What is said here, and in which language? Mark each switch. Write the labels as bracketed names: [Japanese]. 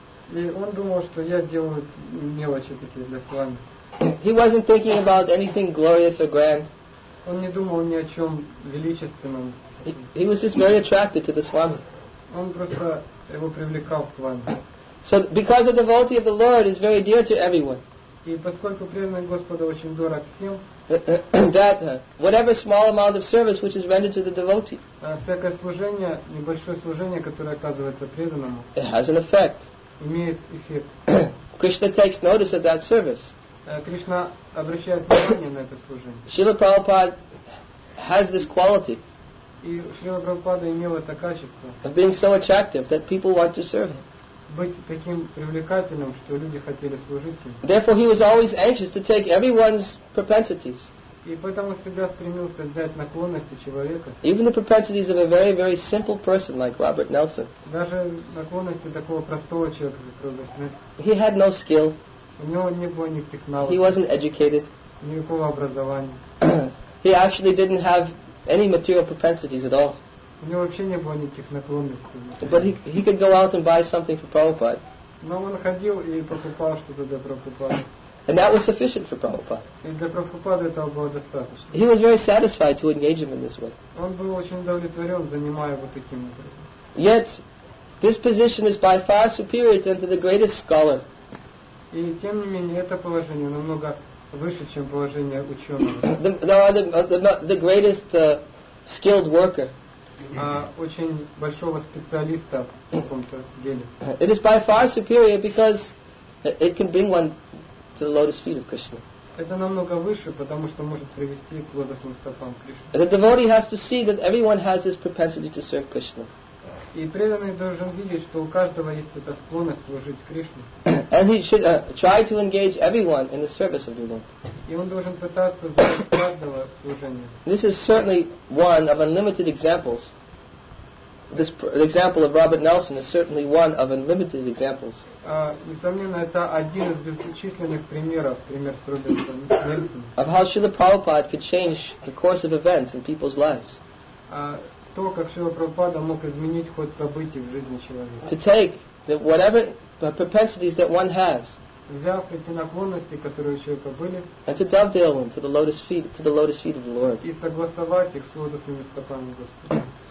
[English] He wasn't thinking about anything glorious or grand. He was just very attracted to the Swami. So because a devotee of the Lord is very dear to everyone. [Russian] И поскольку преданный Господа очень дорог всем, [English] that whatever small amount of service which is rendered to the devotee, [Russian] всякое служение, небольшое служение, которое оказывается преданному, [English] it has an effect. [Russian] Имеет эффект. [English] Krishna takes notice of that service. [Russian] Кришна обращает внимание на это служение. [English] Srila Prabhupada has this quality. [Russian] И Шрила Прабхупада имел это качество. [English] Of being so attractive that people want to serve him. [Russian] Быть таким привлекательным, что люди хотели служить ему. [English] Therefore, he was always anxious to take everyone's propensities. [Russian] И поэтому всегда стремился взять наклонности человека. [English] Even the propensities of a very, very simple person like Robert Nelson. [Russian] Даже наклонности такого простого человека, как Роберт Нельсон. [English] He had no skill. [Russian] У него не было никаких навыков. [English] He wasn't educated. [Russian] Никакого образования. [English] He actually didn't have any material propensities at all. [Russian] У него вообще не было никаких наклонностей. [English] But he could go out and buy something for Prabhupada. [Russian] Но он ходил и покупал что-то для Прабхупады. [English] And that was sufficient for Prabhupada. [Russian] И для Прабхупады этого было достаточно. [English] He was very satisfied to engage him in this way. [Russian] Он был очень удовлетворен, занимая его таким образом. [English] Yet, this position is by far superior than to the greatest scholar. [Russian] И тем не менее, это положение намного выше, чем положение ученого. [English] The greatest skilled worker. [Russian] Очень большого специалиста в каком-то деле. [English] It is by far superior because it can bring one to the lotus feet of Krishna. [Russian] Это намного выше, потому что может привести к лотосным стопам Кришны. [English] The devotee has to see that everyone has this propensity to serve Krishna. [Russian] И преданный должен видеть, что у каждого есть эта склонность служить Кришне. [English] And he should try to engage everyone in the service of the Lord. [Russian] И он должен пытаться взять каждого в служение. [English] This is certainly one of unlimited examples. This example of Robert Nelson is certainly one of unlimited examples. [Russian] Несомненно, это один из бесчисленных примеров, пример с Робертом Нельсоном. [English] Of how Srila Prabhupada could change the course of events in people's lives. [Russian] То, как Шрила Прабхупада мог изменить ход событий в жизни человека. [English] To take the whatever the propensities that one has. [Russian] Взяв эти наклонности, которые у человека были. [English] And to dovetail them to the lotus feet of the Lord. [Russian] И согласовать их с лотосными стопами Господа.